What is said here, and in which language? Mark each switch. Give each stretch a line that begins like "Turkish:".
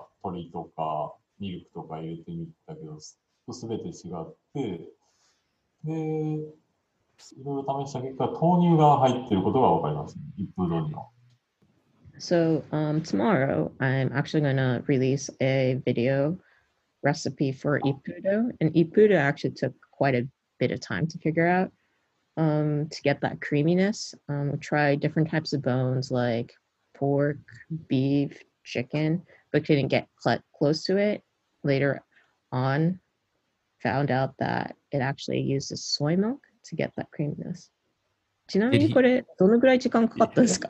Japanese: ミルクとか入れてみたけど、すべて違って、で、いろいろ試した結果、豆乳が入っていることが分かりますね、一風堂には。
English: So, tomorrow, I'm actually going to release a video recipe for 一風堂, and 一風堂 actually took quite a bit of time to figure out, to get that creaminess. We'll try different types of bones, like pork, beef, chicken, but couldn't get close to it. Later on, found out that it actually uses soy milk to get that creaminess.
Japanese: ちなみにこれどのぐらい時間かかったですか？